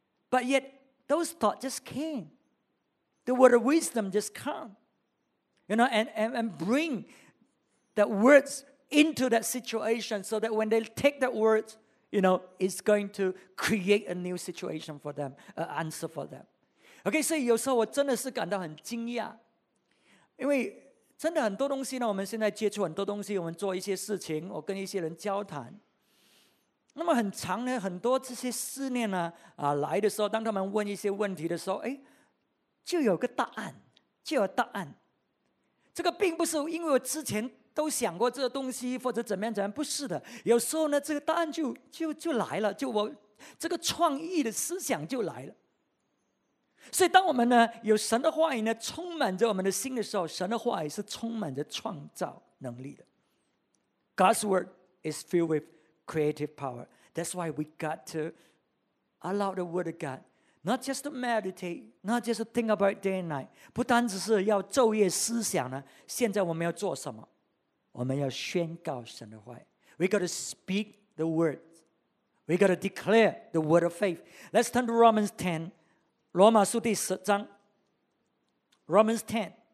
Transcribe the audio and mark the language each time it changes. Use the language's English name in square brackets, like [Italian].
[English] But yet those thoughts just came. The word of wisdom just come, you know, and bring that words into that situation so that when they take that words, you know, it's going to create a new situation for them, an answer for them. [Chinese] Okay, so 有时候我真的是感到很惊讶，因为真的很多东西呢，我们现在接触很多东西，我们做一些事情，我跟一些人交谈。那么很长呢，很多这些思念呢，来的时候，当他们问一些问题的时候，哎，就有个答案，就有答案。这个并不是因为我之前都想过这个东西或者怎么样，不是的。有时候呢，这个答案就来了，就我这个创意的思想就来了。所以，当我们呢有神的话语呢充满着我们的心的时候，神的话语是充满着创造能力的。 [English] God's word is filled with creative power. That's why we got to allow the word of God not just to meditate, not just to think about day and night. [Chinese] 不单只是要昼夜思想呢，现在我们要做什么？我们要宣告神的话。 [English] We got to speak the word. We got to declare the word of faith. Let's turn to Romans 10. [Chinese] 罗马书第十章。 [English] Romans 10.